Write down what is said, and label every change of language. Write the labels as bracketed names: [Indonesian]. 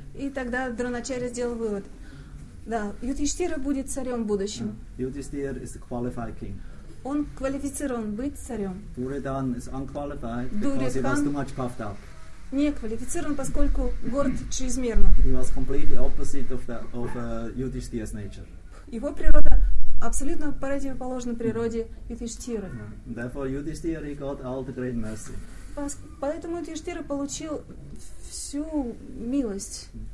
[Russian] И тогда Дроначарья сделал вывод. Да, Юдхиштхира будет царем в будущем. [English] Юдхиштхира is a qualified king. [Russian] Он квалифицирован быть царем. [English] Дуридан is unqualified because he was too much puffed up. [Russian] Не квалифицирован, поскольку горд чрезмерно. [English] He was completely opposite of Yudhishthira's nature. [Russian] его природа абсолютно противоположна природе Юдиштиры. [English] Therefore, Yudhishthira got all the great mercy. [Russian] Поэтому Юдиштира получил всю милость.